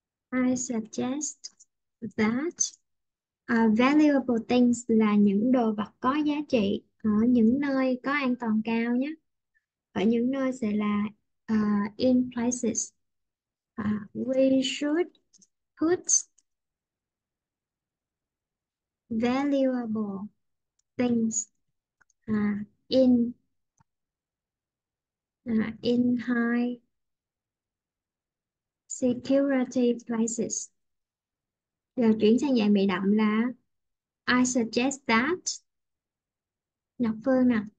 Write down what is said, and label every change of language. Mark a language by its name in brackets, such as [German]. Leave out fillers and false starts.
[English] I suggest that valuable things [Vietnamese] là những đồ vật có giá trị ở những nơi có an toàn cao nhé. Ở những nơi sẽ là [English] in places. We should valuable things in high security places. [Vietnamese] Rồi chuyển sang dạng bị động là [English] I suggest that. [Vietnamese] Ngọc Phương nè.